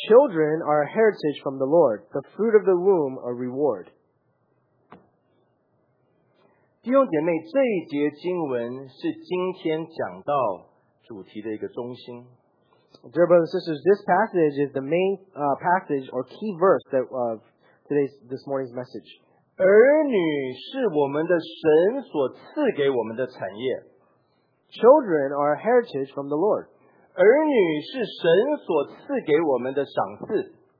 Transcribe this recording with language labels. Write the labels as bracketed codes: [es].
[en] children are a heritage from the Lord, the fruit of the womb a reward. [zh] 弟兄姐妹，这一节经文是今天讲到主题的一个中心。 [en] Dear brothers and sisters, this passage is the main passage or key verse that this morning's message. [zh] 儿女是我们的神所赐给我们的产业. [en] Children are a heritage from the Lord. [zh] 儿女是神所赐给我们的赏赐.